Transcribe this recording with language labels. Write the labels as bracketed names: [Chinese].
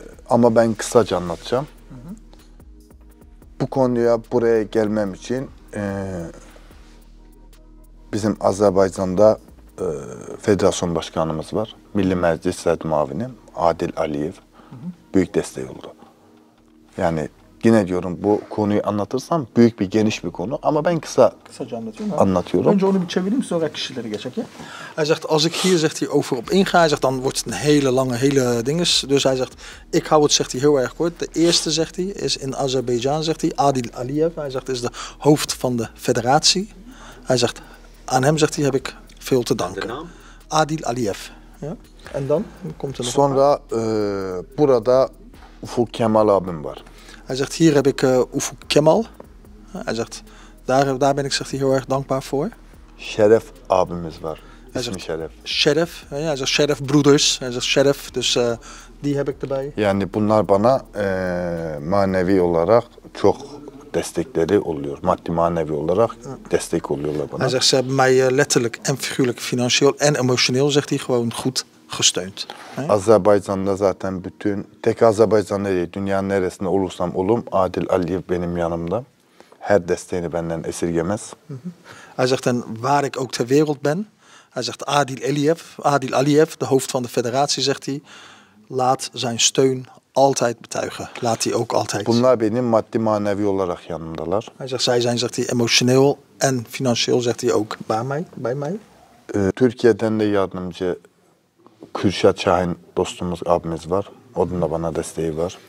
[Turkish] Ama ben kısaca anlatacağım. Bu konuya buraya gelmem için bizim Azerbaycan'da federasyon başkanımız var. Milli Meclis Sayın Mavinim Adil Aliyev. Büyük desteği oldu. Yani yine diyorum bu konuyu anlatırsam büyük bir geniş bir konu ama ben kısaca anlatıyorum. Önce onu bir çevireyim sonra kişileri geçek. [Dutch] Hij zegt als ik hier zegt hij over op inga, hij zegt dan wordt het een hele lange hele dinges. Dus hij zegt ik hou het zegt hij heel erg kort. De eerste zegt hij is in Azerbeidzjan zegt hij Adil Aliyev. Hij zegt is de hoofd van de federatie. Hij zegt aan hem zegt hij heb ik veel te danken. De naam? Adil Aliyev. Ja. En dan komt er nog. [Turkish] Sonra burada Ufuk Kemal abim var. [Dutch] Hij zegt, hier heb ik Ufuk Kemal. Hij zegt, daar ben ik zegt hij heel erg dankbaar voor. [Turkish] Şeref abimiz var. [Dutch] Hij zegt, [Turkish] Şeref. Şeref. [Dutch] Hij zegt, Şeref Brothers. Hij zegt, Şeref. Dus die heb ik erbij. [Turkish] Yani bunlar bana manevi olarak çok destekleri oluyor. Maddi manevi olarak destek oluyorlar bana. [Dutch] Hij zegt, ze hebben mij letterlijk en figuurlijk financieel en emotioneel, zegt hij, gewoon goed gesteund. [Turkish] Azerbaycan'da zaten bütün, tek Azerbaycan'da değil, dünyanın neresinde olursam olum, Adil Aliyev benim yanımda. Her desteğini benden esirgemez. [Dutch] Hij zegt, en waar ik ook ter wereld ben, hij zegt, Adil Aliyev, de hoofd van de federatie, zegt hij, laat zijn steun altijd betuigen. Laat hij ook altijd. [Turkish] Bunlar benim maddi manevi olarak yanımdalar. [Dutch] Hij zegt, zij zijn, zegt hij, emotioneel en financieel, zegt hij ook, bij mij. [Turkish] Türkiye'den de yardımcı Kürşat Şahin dostumuz abimiz var. Onun da bana desteği var.